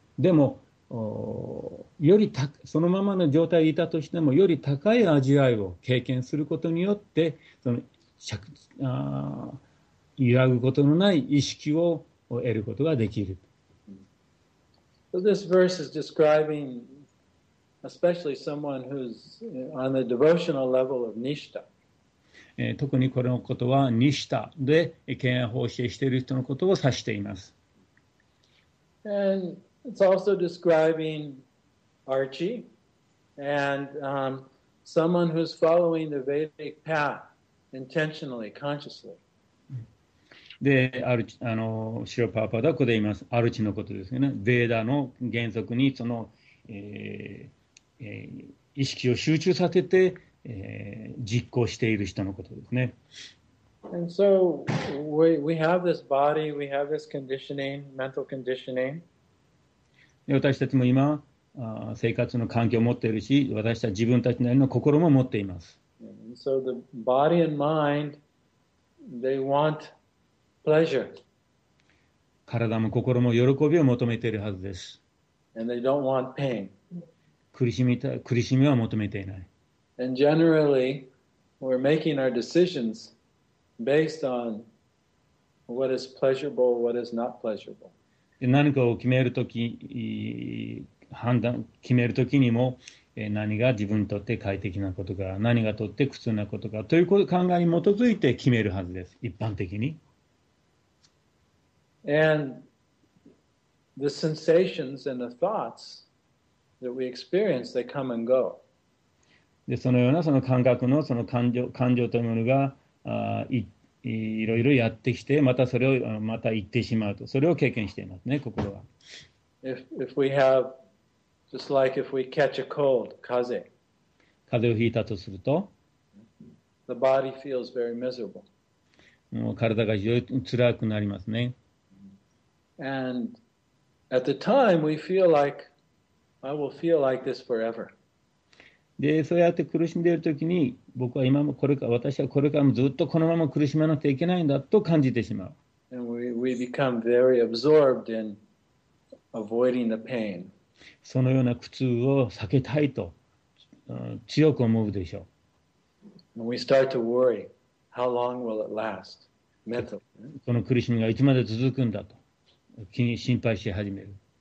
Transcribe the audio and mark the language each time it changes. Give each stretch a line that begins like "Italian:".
Japanese: でもよりたそのままの状態でいたとしてもより高い味わいを経験することによってその揺らぐことのない意識を得ることができる。
English: So this verse is describing especially someone who's on the devotional level of nishta.
Japanese: 特にこれのことは nishta で敬愛奉仕している人のことを指しています。
English: And it's also describing Archie and someone who's following the Vedic path intentionally, consciously.
Japanese: で、シロパーパーダコで言います。アルチのことですよね。ベーダの原則にその、意識を集中させて、実行している人のことですね。
English: And so we have this body, we have this conditioning, mental conditioning.
Japanese: 私たちも今生活の環境を持っているし、私たち自分たちなりの心も持っています。
English: And so the body and mind, they want pleasure.
Japanese: 体も心も喜びを求めているはずです。
English: And they don't want pain.
Japanese: 苦しみは求めていない。
English: And generally, we're making our decisions based on what is pleasurable, what is not pleasurable.
Japanese: 何かを決めるときにも、何が自分にとって快適なことか、何がとって苦痛なことかという考えに基づいて決めるはずです、一般的に。
English: And the sensations and the thoughts. That we experience, they come and go.
Japanese: でそのようなその感覚のその感情というものが いろいろやってきて、またそれをまた行ってしまうと、それを経験していますね、心は。
English: If we have, just like if we catch a cold, 風。
Japanese: 風邪をひいたとすると、
English: the body feels very miserable.
Japanese: もう体が非常につらくなりますね。
English: And at the time, we feel like,I will feel like this forever.
Japanese: で、そうやって苦しんでいるときに、僕は今もこれから、私はこれからもずっとこのまま苦しまなきゃいけないんだと感じてしまう。
English: And we become very absorbed in avoiding the pain.
Japanese: そのような苦痛を避けたいと、強く思うでしょう。
English: And we start to worry, how long will it last? Mental.
Japanese: この苦しみがいつまで続くんだと、心配し始める。